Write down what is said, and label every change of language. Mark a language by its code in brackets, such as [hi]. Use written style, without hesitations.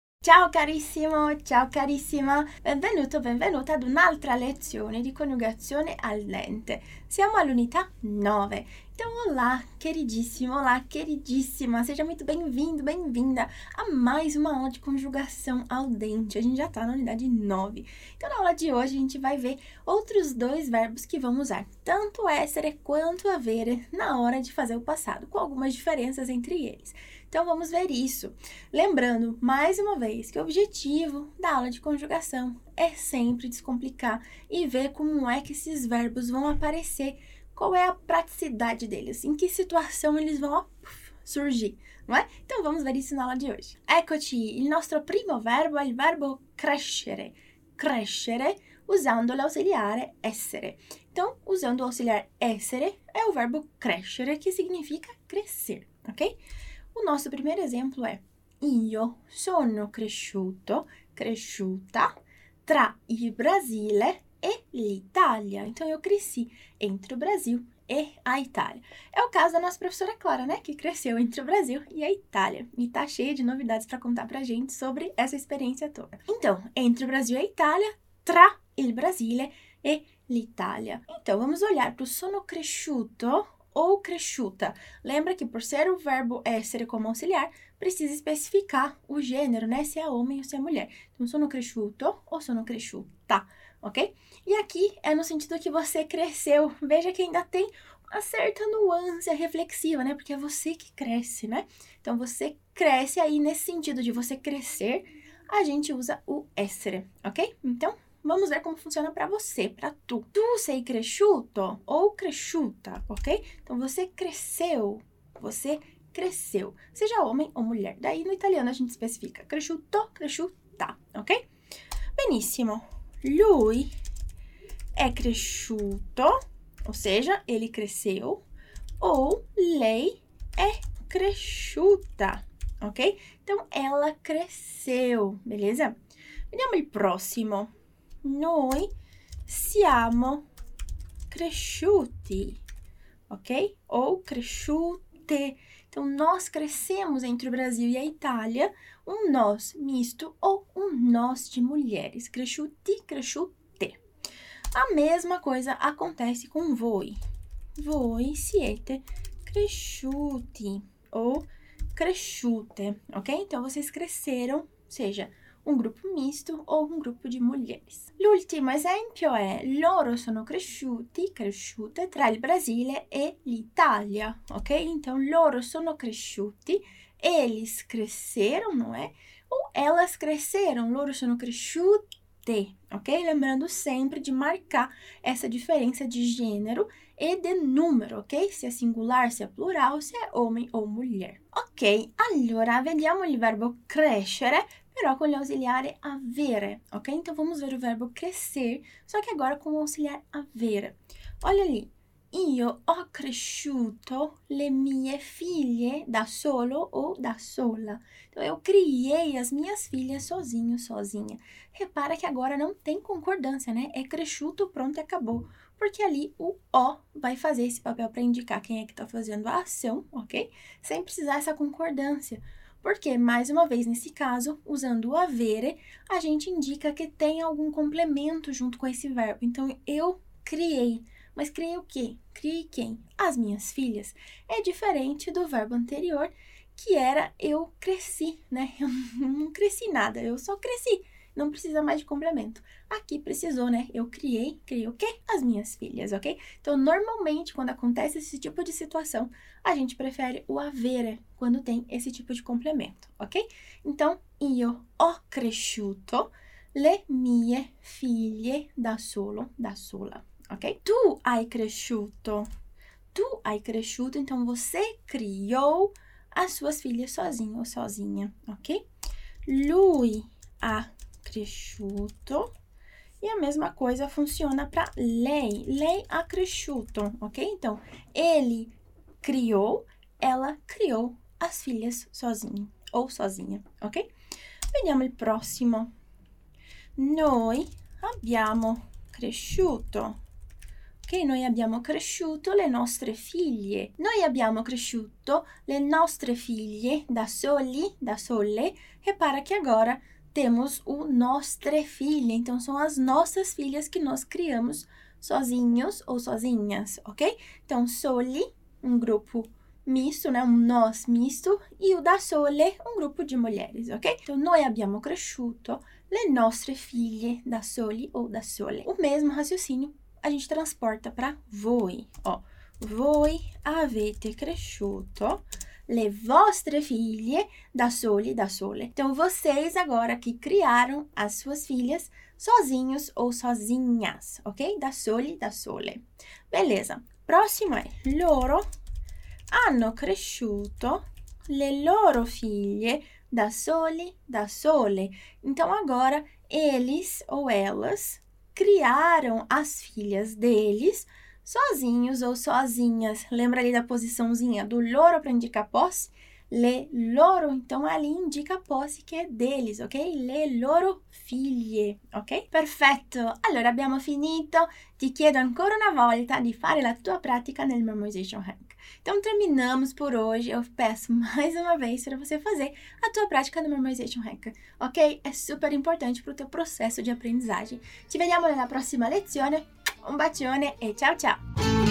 [it] Ciao carissima, benvenuto, benvenuta ad un'altra lezione di coniugazione al dente. Siamo all'unità 9. [pt] Então, olá, queridíssima, seja muito bem-vindo, bem-vinda a mais uma aula de conjugação ao dente. A gente já está na unidade 9. Então, na aula de hoje, a gente vai ver outros dois verbos que vamos usar, tanto essere quanto avere, na hora de fazer o passado, com algumas diferenças entre eles. Então, vamos ver isso. Lembrando, mais uma vez, que o objetivo da aula de conjugação é sempre descomplicar e ver como é que esses verbos vão aparecer. Qual é a praticidade deles? Em que situação eles vão surgir, não é? Então vamos ver isso na aula de hoje. [it] Eccoci, il nostro primo verbo è il verbo crescere. Crescere usando l'ausiliare essere. [pt] Então, usando o auxiliar essere, [it] è o verbo crescere che significa [pt] crescer, ok? O nosso primeiro exemplo [it] è io sono cresciuto, cresciuta tra il Brasile e l'Italia. [pt] Então, eu cresci entre o Brasil e a Itália. É o caso da nossa professora Clara, né? Que cresceu entre o Brasil e a Itália. E tá cheia de novidades para contar pra gente sobre essa experiência toda. Então, entre o Brasil e a Itália, [it] tra il Brasile e l'Italia. [pt] Então, vamos olhar pro sono cresciuto ou cresciuta. Lembra que por ser o verbo essere como auxiliar, precisa especificar o gênero, né? Se é homem ou se é mulher. Então, [it] sono cresciuto [pt] ou [it] sono cresciuta. [pt] Ok? E aqui é no sentido que você cresceu. Veja que ainda tem uma certa nuance reflexiva, né? Porque é você que cresce, né? Então, você cresce aí nesse sentido de você crescer, a gente usa o essere, ok? Então, vamos ver como funciona para você, para tu. [it] Tu sei cresciuto ou cresciuta, ok? [pt] Então, você cresceu. Você cresceu. Seja homem ou mulher. Daí, no italiano, a gente especifica cresciuto, cresciuta, ok? Benissimo. [it] Lui è cresciuto, [pt] ou seja, ele cresceu, ou [it] lei è cresciuta, [pt] ok? Então, ela cresceu, beleza? [it] Vediamo il prossimo. Noi siamo cresciuti, ok? [pt] Ou cresciute. Então, nós crescemos entre o Brasil e a Itália, um nós misto ou um nós de mulheres. Cresciuti, cresciute. A mesma coisa acontece com voi. [it] Voi siete cresciuti [pt] ou [it] cresciute, ok? [pt] Então, vocês cresceram, seja um grupo misto ou um grupo de mulheres. [it] L'ultimo esempio è loro sono cresciuti, cresciute tra il Brasile e l'Italia, ok? [pt] Então, [it] loro sono cresciuti, [pt] eles cresceram, não é? Ou elas cresceram, [it] loro sono cresciute, [pt] ok? Lembrando sempre de marcar essa diferença de gênero e de número, ok? Se é singular, se é plural, se é homem ou mulher. [it] Ok, allora, vediamo il verbo crescere. Però con l'ausiliare avere, ok? [pt] Então vamos ver o verbo crescer, só que agora com o auxiliar avere. Olha ali, [it] io ho cresciuto le mie figlie da solo [pt] ou [it] da sola. [pt] Então eu criei as minhas filhas sozinho, sozinha. Repara que agora não tem concordância, né? É cresciuto, pronto, acabou. Porque ali o O vai fazer esse papel para indicar quem é que está fazendo a ação, ok? Sem precisar essa concordância. Porque, mais uma vez, nesse caso, usando o avere, a gente indica que tem algum complemento junto com esse verbo. Então, eu criei. Mas criei o quê? Criei quem? As minhas filhas. É diferente do verbo anterior, que era eu cresci, né? Eu não cresci nada, eu só cresci. Não precisa mais de complemento. Aqui precisou, né? Eu criei. Criei o quê? As minhas filhas, ok? Então, normalmente, quando acontece esse tipo de situação, a gente prefere o avere quando tem esse tipo de complemento, ok? [it] Então, io ho cresciuto le mie figlie da solo, da sola, ok? Tu hai cresciuto. Tu hai cresciuto. [pt] Então, você criou as suas filhas sozinho ou sozinha, ok? [it] Lui ha cresciuto. [pt] E a mesma coisa funciona para lei. [it] Lei ha cresciuto, [pt] ok? Então, ele criou, ela criou as filhas sozinho ou sozinha, ok? [it] Vediamo il prossimo. Noi abbiamo cresciuto. Ok? Noi abbiamo cresciuto le nostre figlie. Noi abbiamo cresciuto le nostre figlie da soli, da sole. [pt] Repara che agora temos o nostre filha. Então, são as nossas filhas que nós criamos sozinhos ou sozinhas, ok? Então, soli, um grupo misto, né? Um nós misto. E o da sole, um grupo de mulheres, ok? Então, [it] noi abbiamo cresciuto le nostre figlie da soli [pt] ou [it] da sole. [pt] O mesmo raciocínio a gente transporta para voi, ó. [it] Voi avete cresciuto le vostre figlie da soli, da sole. [pt] Então, vocês agora que criaram as suas filhas sozinhos ou sozinhas, ok? Da soli, da sole. Beleza. Próximo é [it] loro hanno cresciuto le loro figlie da soli, da sole. [pt] Então, agora, eles ou elas criaram as filhas deles sozinhos ou sozinhas. Lembra ali da posiçãozinha do loro para indicar posse? [it] Le loro, [pt] então ali indica a posse que é deles, ok? [it] Le loro figlie, ok? Perfetto! Allora, abbiamo finito. Ti chiedo ancora una volta di fare la tua pratica nel Memorization Hack. [pt] Então, terminamos por hoje. Eu peço mais uma vez para você fazer a tua prática no Memorization Hack, ok? É super importante para o teu processo de aprendizagem. [it] Ci vediamo nella prossima lezione. Un bacione e ciao ciao!